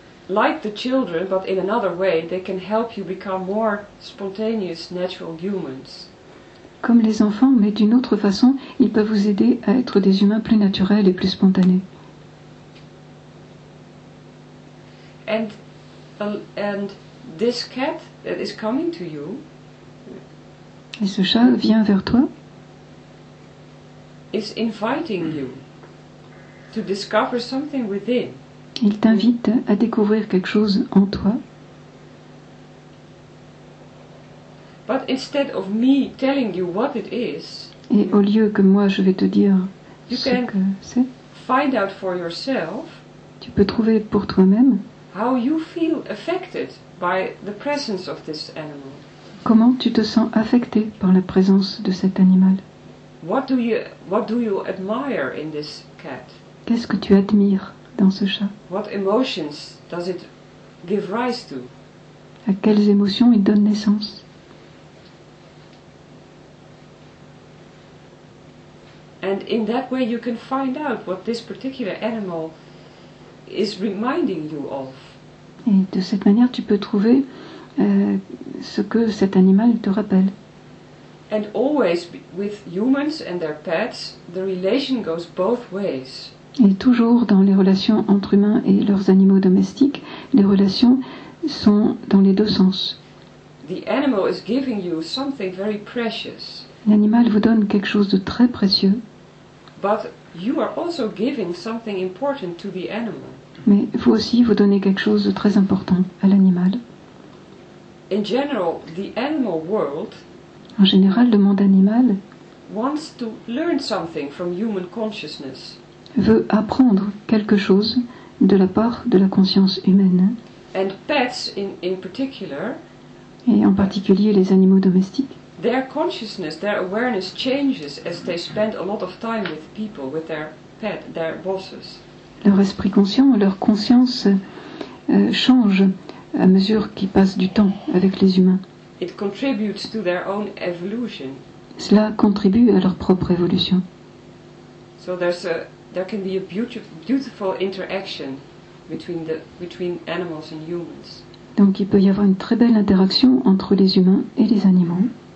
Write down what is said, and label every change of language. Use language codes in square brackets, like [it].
[en] Like the children, but in another way, they can help you become more spontaneous, natural humans. [fr] Comme les enfants, mais d'une autre façon, ils peuvent vous aider à être des humains plus naturels et plus spontanés. [en] And this cat that is coming to you. [fr] Et ce chat vient vers toi. [en] Is inviting you to discover something within. [fr] Il t'invite à découvrir quelque chose en toi. [en] But instead of me telling you what it is, [fr] et au lieu que moi je vais te dire ce que c'est, [en] find out for yourself, [fr] tu peux trouver pour toi-même [en] how you feel affected by the presence of this animal. [fr] Comment tu te sens affecté par la présence de cet animal. [en] What do you admire in this cat? [fr] Qu'est-ce que tu admires dans ce chat? [en] What emotions does it give rise to? [fr] À quelles émotions il donne naissance? [en] And in that way you can find out what this particular animal is reminding you of. [fr] Et de cette manière tu peux trouver ce que cet animal te rappelle. [en] And always with humans and their pets the relation goes both ways. [fr] Et toujours dans les relations entre humains et leurs animaux domestiques, les relations sont dans les deux sens. [en] The animal is giving you something very precious. [fr] L'animal vous donne quelque chose de très précieux. [en] But you are also giving something important to the animal. [fr] Mais vous aussi vous donnez quelque chose de très important à l'animal. [en] In general, the animal world, [fr] en général, le monde animal [en] wants to learn something from human consciousness. [fr] Veut apprendre quelque chose de la part de la conscience humaine. [en] And pets in particular, [fr] et en particulier les animaux domestiques, [en] their consciousness, their awareness changes as they spend a lot of time with people, with their pet, their bosses. [fr] Leur esprit conscient, leur conscience change à mesure qu'ils passent du temps avec les humains. [en] It contributes to their own evolution. [fr] Cela contribue à leur propre évolution. [en] So there's a there can be a beautiful interaction between animals and humans. [fr] Donc il peut y avoir une très belle interaction entre les humains et les animaux.